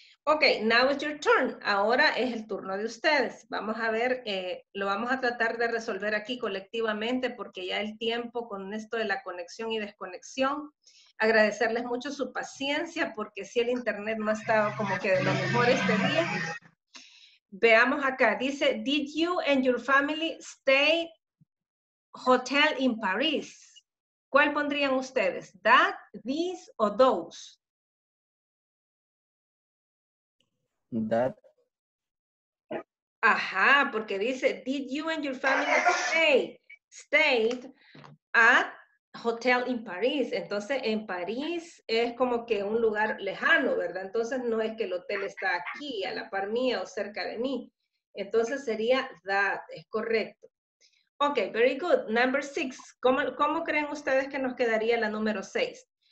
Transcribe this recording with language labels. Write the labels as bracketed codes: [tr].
[en] Ok, now it's your turn. [es] Ahora es el turno de ustedes. Vamos a ver, lo vamos a tratar de resolver aquí colectivamente porque ya el tiempo con esto de la conexión y desconexión. Agradecerles mucho su paciencia porque sí, el internet no estaba como que de lo mejor este día. Veamos acá, dice, [en] did you and your family stay hotel in Paris? [es] ¿Cuál pondrían ustedes? That, these o those? [en] That. [es] Ajá, porque dice, [en] did you and your family stayed at hotel in Paris? [es] Entonces, en París es como que un lugar lejano, ¿verdad? Entonces, no es que el hotel está aquí, a la par mía o cerca de mí. Entonces, sería that, es correcto. [en] Ok, very good. Number six. [es] ¿Cómo creen ustedes que nos quedaría la número seis?